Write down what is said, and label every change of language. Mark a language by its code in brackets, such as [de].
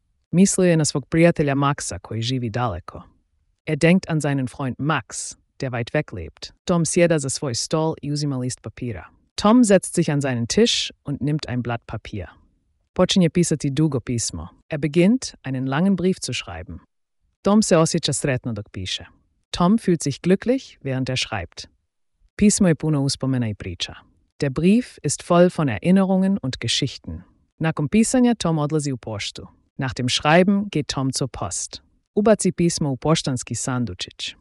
[hr] Misluje na svog prijatelja Maxa, koji živi daleko. [de] Er denkt an seinen Freund Max, der weit weg lebt. [hr] Tom sjeda za svoj stol i uzima list papira. [de] Tom setzt sich an seinen Tisch und nimmt ein Blatt Papier. [hr] Počinje pisati dugo pismo. [de] Er beginnt, einen langen Brief zu schreiben. [hr] Tom se osjeća sretno dok piše. [de] Tom fühlt sich glücklich, während er schreibt. [hr] Pismo je puno uspomena i priča. [de] Der Brief ist voll von Erinnerungen und Geschichten. [hr] Nakon pisanja Tom odlazi u poštu. [de] Nach dem Schreiben geht Tom zur Post. [hr] Ubaci pismo u poštanski sandučić.